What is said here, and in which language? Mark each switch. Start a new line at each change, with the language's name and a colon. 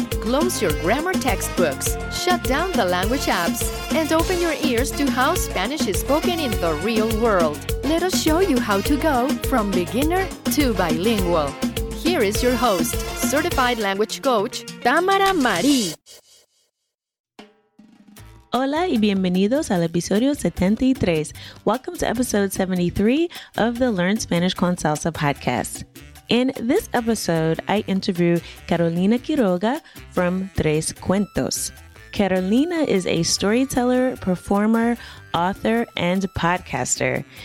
English: Close your grammar textbooks, shut down the language apps, and open your ears to how Spanish is spoken in the real world. Let us show you how to go from beginner to bilingual. Here is your host, certified language coach, Tamara Marie.
Spanish: Hola y bienvenidos al episodio 73.
English: Welcome to episode 73 of the Learn Spanish con Salsa podcast. In this episode, I interview Carolina Quiroga from Tres Cuentos. Carolina is a storyteller, performer, author, and podcaster.